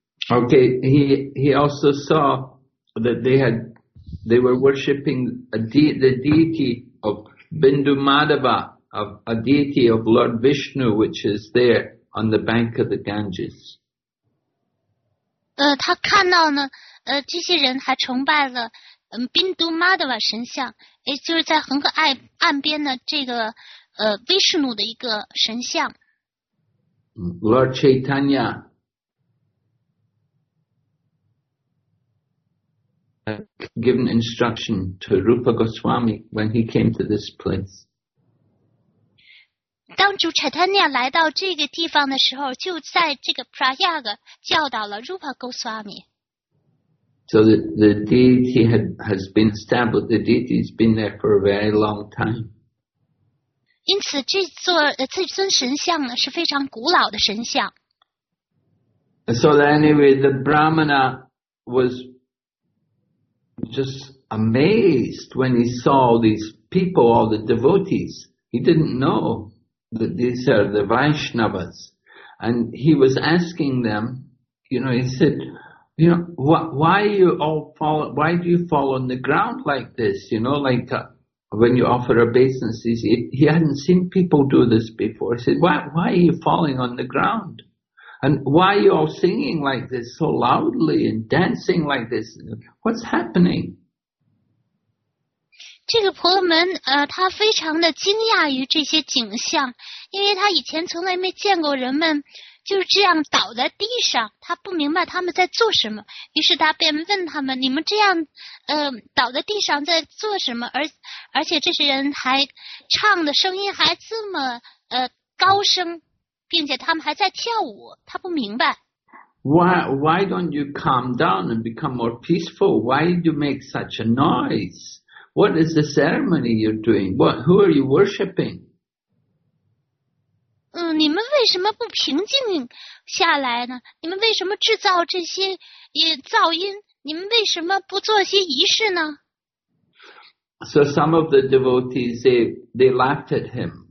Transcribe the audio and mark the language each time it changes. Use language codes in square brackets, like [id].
[en] Okay, he also saw that they had They were worshipping the deity of Bindu Madhava, a deity of Lord Vishnu, which is there on the bank of the Ganges. [zh] 他看到呢，这些人还崇拜了，宾都玛德瓦神像，也就是在恒河岸边的这个，威士努的一个神像。 [en] Lord Chaitanya given instruction to Rupa Goswami when he came to this place. [zh] 当主 Chaitanya 来到这个地方的时候，就在这个 Prayag 教导了 Rupa Goswami. [en] So the deity has been established. The deity has been there for a very long time. [zh] 因此，这尊神像呢是非常古老的神像。 [en] So anyway, the Brahmana was just amazed when he saw these people, all the devotees. He didn't know that these are the Vaishnavas. And he was asking them, you know, he said, you know, why do you fall on the ground like this? You know, like when you offer obeisances. He hadn't seen people do this before. He said, why are you falling on the ground? And why are you all singing like this so loudly and dancing like this? What's happening? [zh] 这个婆罗门他非常的惊讶于这些景象，因为他以前从来没见过人们就是这样倒在地上，他不明白他们在做什么，于是他便问他们，你们这样倒在地上在做什么，而且这些人还唱的声音还这么高声，并且他们还在跳舞，他不明白。 [en] Why don't you calm down and become more peaceful? Why do you make such a noise? What is the ceremony you're doing? Who are you worshipping? [zh] 你们为什么不平静下来呢？你们为什么制造这些噪音？你们为什么不做一些仪式呢？ [en] So some of the devotees, they laughed at him.